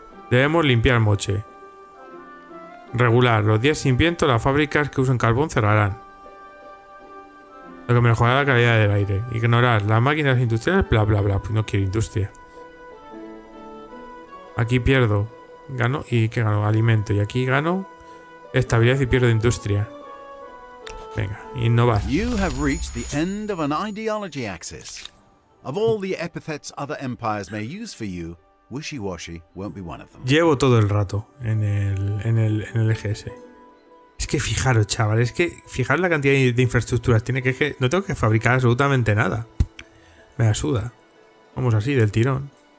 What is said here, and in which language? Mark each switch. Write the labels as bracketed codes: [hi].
[es] Debemos limpiar Moche. Regular. Los días sin viento, las fábricas que usan carbón cerrarán. Lo que mejorará la calidad del aire. Ignorar. Las máquinas industriales, bla, bla, bla. Pues no quiero industria. Aquí pierdo. Gano. ¿Y qué gano? Alimento. Y aquí gano estabilidad y pierdo industria. Venga, innovar. [en] You have reached the end of an ideology axis. Of all the epithets other empires may use for you, Wishy-washy won't be one of them. [es] Llevo todo el rato en el EGS. Es que fijaros, chaval, es que fijaros la cantidad de infraestructuras. Tiene que no tengo que fabricar absolutamente nada. Me asuda. Vamos así, del tirón.